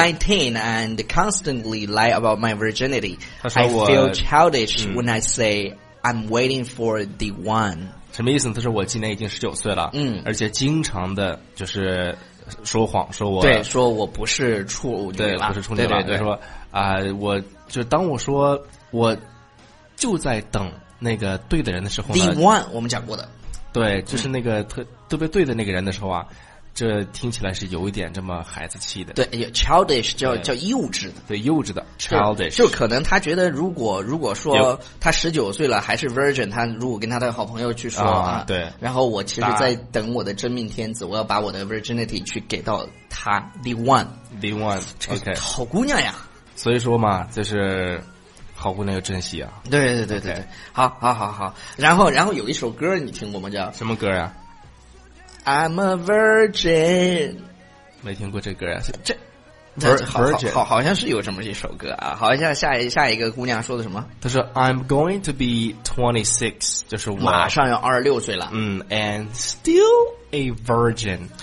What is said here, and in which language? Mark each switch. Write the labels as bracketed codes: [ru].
[en] I'm 19 and constantly lie about my virginity. I feel childish when I say I'm waiting for the one. [zh] 什么意思呢？他说我今年已经19岁了，嗯，而且经常的就是说谎，说我对，说我不是处女了，对，不是处女了，对对对，说啊、我就当我说我就在等那个对的人的时候呢， [en] The one [zh] 我们讲过的。对，就是那个特别对的那个人的时候啊，这听起来是有一点这么孩子气的。对 ，childish 叫幼稚的。对，幼稚的 childish，就可能他觉得如果说他19岁了还是 virgin， 他如果跟他的好朋友去说啊，对，然后我其实在等我的真命天子，我要把我的 virginity 去给到他 [en] the one， [zh] OK，、 [en] okay、 [zh] 好姑娘呀。所以说嘛，就是。好姑娘要珍惜啊！对对对对对、 [en] okay ， [zh] 好。然后有一首歌你听过吗？叫什么歌呀、 [en] 啊、？I'm a virgin。 [zh] 没听过这歌呀、啊？这 [en] virgin [zh] 好像是有这么一首歌啊。好像下一个姑娘说的什么？她说 [en] I'm going to be 26， 就是 [zh] 马上要26岁了。 [en] 嗯 ，and still a virgin，